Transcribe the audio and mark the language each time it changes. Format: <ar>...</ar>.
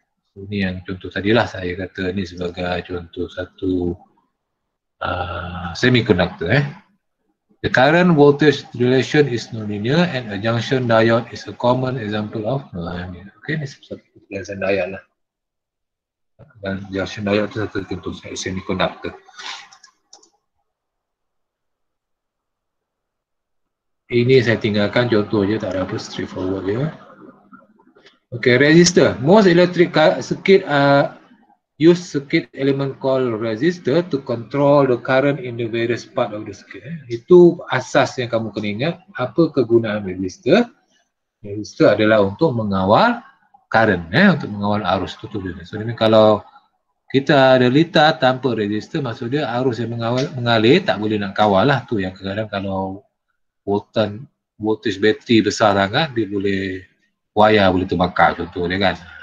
<ms>So, ini yang contoh tadilah saya kata ni sebagai contoh satu semiconductor.</ms> <en>The current voltage relation is non-linear and a junction diode is a common example of non-linear.</en> <ms>Okay, ni satu perkenalan diode lah. Dan junction diode tu satu contoh semiconductor. Ini saya tinggalkan contoh je, tak ada apa, straightforward je. Okay, resistor.</ms> <en>Most electric circuit use circuit element called resistor to control the current in the various part of the circuit.</en> <ms>Itu asas yang kamu kena ingat. Apa kegunaan resistor? Resistor adalah untuk mengawal current, untuk mengawal arus. So, kalau kita ada litar tanpa resistor, maksudnya arus yang mengalir tak boleh nak kawal lah. Tu yang kadang-kadang kalau voltage bateri besar sangat, dia boleh wayar boleh terbakar contohnya kan.</ms>